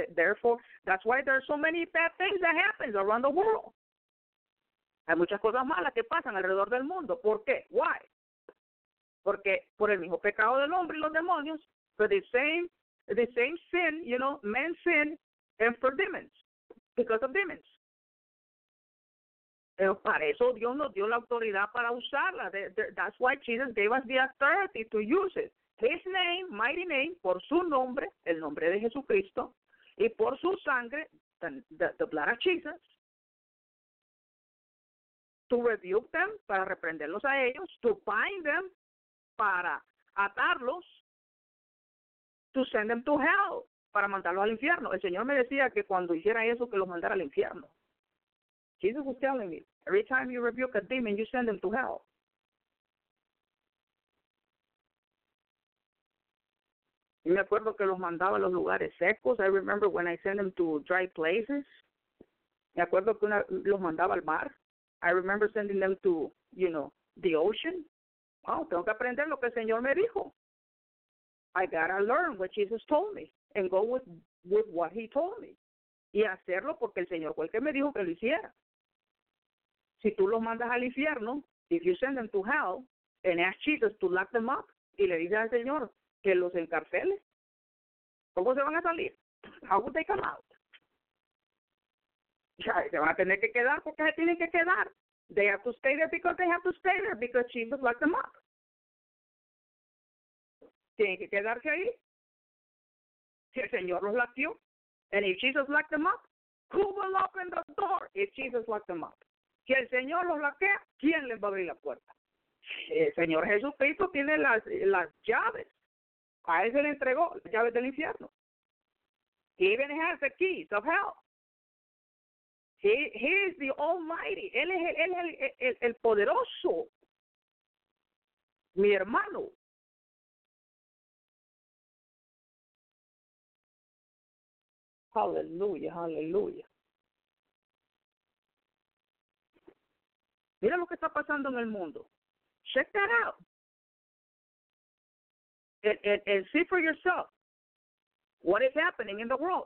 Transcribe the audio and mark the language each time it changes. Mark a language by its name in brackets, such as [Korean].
[English] Therefore, that's why there are so many bad things that happens around the world. [Spanish] Hay muchas cosas malas que pasan alrededor del mundo. ¿Por qué? [English] Why? [Spanish] Porque por el mismo pecado del hombre y los demonios, [English] for the same sin, you know, men's sin, and for demons, because of demons. [Spanish] Pero para eso Dios nos dio la autoridad para usarla. [English] That's why Jesus gave us the authority to use it. His name, mighty name, [Spanish] por su nombre, el nombre de Jesucristo, y por su sangre, [English] the blood of Jesus, to rebuke them, [Spanish] para reprenderlos a ellos, [English] to bind them, [Spanish] para atarlos, [English] to send them to hell, [Spanish] para mandarlos al infierno. El Señor me decía que cuando hiciera eso, que los mandara al infierno. [English] Jesus was telling me, every time you rebuke a demon, you send them to hell. [Spanish] Y me acuerdo que los mandaba a los lugares secos. [English] I remember when I sent them to dry places. [Spanish] Me acuerdo que los mandaba al mar. [English] I remember sending them to, you know, the ocean. [Spanish] Wow, tengo que aprender lo que el Señor me dijo. [English] I gotta learn what Jesus told me and go with what he told me. [Spanish] Y hacerlo porque el Señor fue el que me dijo que lo hiciera. Si tú los mandas al infierno, [English] if you send them to hell, and ask Jesus to lock them up, [Spanish] y le dices al Señor que los encarcele, ¿cómo se van a salir? [English] How would they come out? [Spanish] Se van a tener que quedar porque se tienen que quedar. [English] They have to stay there because they have to stay there because Jesus locked them up. [Spanish] Tienen que quedarse ahí. Si el Señor los latió. [English] And if Jesus locked them up, who will open the door if Jesus locked them up? [Spanish] Si el Señor los laquea, ¿quién les va a abrir la puerta? El Señor Jesucristo tiene las llaves. A él se le entregó las llaves del infierno. [English] He even has the keys of hell. He is the Almighty. [Spanish] Él es el poderoso. Mi hermano. [English] Hallelujah, hallelujah. [Spanish] Mira lo que está pasando en el mundo. [English] Check that out. And see for yourself what is happening in the world.